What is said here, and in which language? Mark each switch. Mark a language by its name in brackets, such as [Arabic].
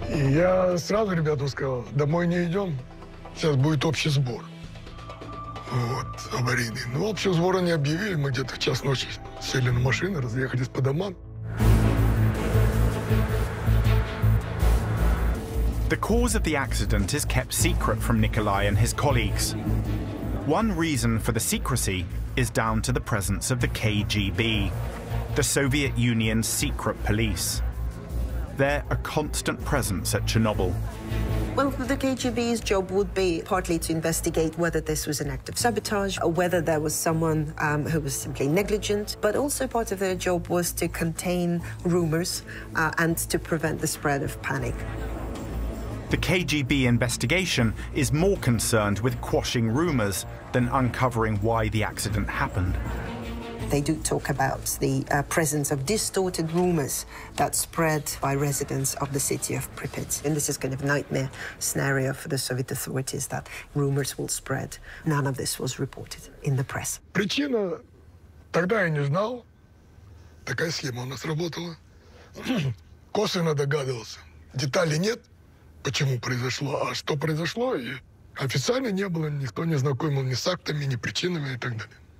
[Russian] Я сразу ребятам сказал, домой не идем, сейчас будет общий сбор. Вот, аварийный. Ну, общего сбора не объявили, мы где-то в час ночи сели на машины, разъехались по домам. [English] The cause of the accident is kept secret from Nikolai and his colleagues. One reason for the secrecy is down to the presence of the KGB, the Soviet Union's secret police. They're a constant presence at Chernobyl. Well, the KGB's job would be partly to investigate whether this was an act of sabotage or whether there was someone who was simply negligent. But also part of their job was to contain rumors and to prevent the spread of panic. The KGB investigation is more concerned with quashing rumors than uncovering why the accident happened. They do talk about the presence of distorted rumors that spread by residents of the city of Pripyat. And this is kind of a nightmare scenario for the Soviet authorities that rumors will spread. None of this was reported in the press. [Russian] Причина тогда я не знал. Такая схема у нас работала. Косвенно догадывался. Деталей нет, почему произошло, а что произошло, и официально не было, никто не знакомил ни с актами, ни причинами и так далее.